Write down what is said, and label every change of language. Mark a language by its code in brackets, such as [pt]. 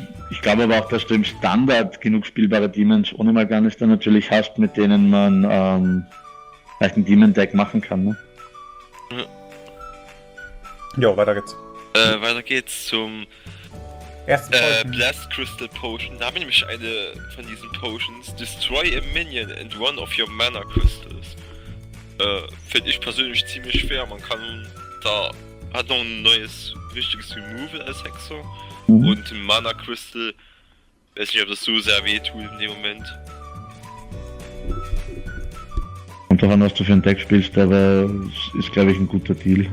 [de] Ich glaube aber auch, dass du im Standard genug spielbare Demons ohne Mal'Ganis dann natürlich hast, mit denen man vielleicht ein Demon-Deck machen kann, ne? Jo, weiter geht's. Weiter geht's zum Blast Crystal Potion. Da haben wir nämlich eine von diesen Potions. [en] Destroy a Minion and one of your Mana Crystals. [de] Finde ich persönlich ziemlich fair. Man kann da hat noch ein neues wichtiges Removal als Hexer. Und ein Mana Crystal. Weiß nicht, ob das so sehr weh tut in dem Moment. Und daran, was du für ein Deck spielst, aber ist glaube ich ein guter Deal.